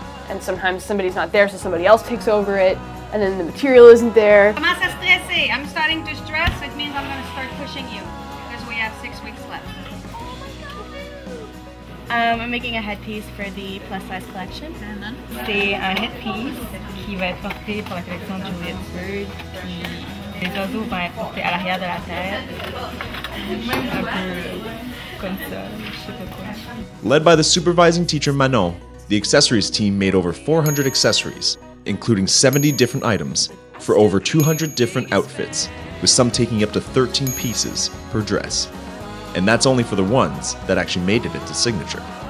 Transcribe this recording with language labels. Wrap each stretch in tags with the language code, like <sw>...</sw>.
<en>And sometimes somebody's not there, so somebody else takes over it, and then the material isn't there. I'm starting to stress, which means I'm gonna start pushing you, because we have have 6 weeks left. Oh my God, I'm making a headpiece for the plus size collection. And then?</en> <fr>C'est un headpiece qui va être porté pour la collection de Juliet Bird. Les oiseaux vont être portés à l'arrière de la terre. Un peu comme ça, je sais pas quoi.</fr> <en>Led by the supervising teacher Manon, the accessories team made over 400 accessories, including 70 different items, for over 200 different outfits, with some taking up to 13 pieces per dress. And that's only for the ones that actually made it into signature.</en>